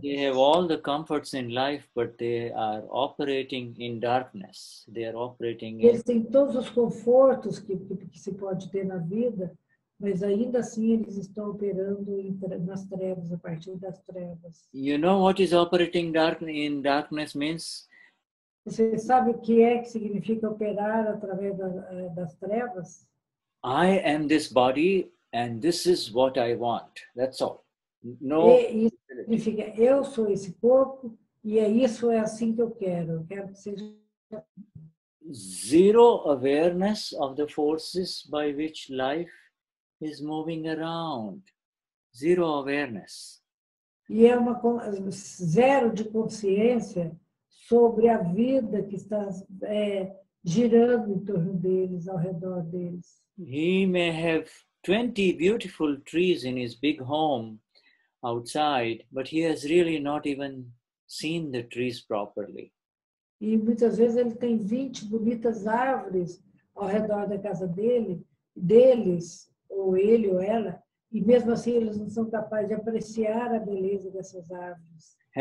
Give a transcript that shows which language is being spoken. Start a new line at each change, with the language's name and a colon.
English: They have all the comforts in life, but they are operating in darkness. They are operating in...
Portuguese: Eles têm todos os confortos que se pode ter na vida, mas ainda assim eles estão operando nas trevas, a partir das trevas.
English: You know what is operating in darkness means?
Portuguese: Você sabe o que é que significa operar através das trevas?
English: I am this body and this is what I want. That's all. No.
Portuguese: Isso significa eu sou esse corpo e é isso, é assim que eu quero. Eu quero que seja...
English: Zero awareness of the forces by which life is moving around. Zero awareness.
Portuguese: E é uma zero de consciência sobre a vida que está girando em torno deles, ao redor deles.
English: He may have 20 beautiful trees in his big home outside, but he has really not even seen the trees properly.
Portuguese: E muitas vezes ele tem 20 bonitas árvores ao redor da casa deles. Ou ele ou ela, e mesmo assim eles não são capazes de apreciar a beleza dessas árvores.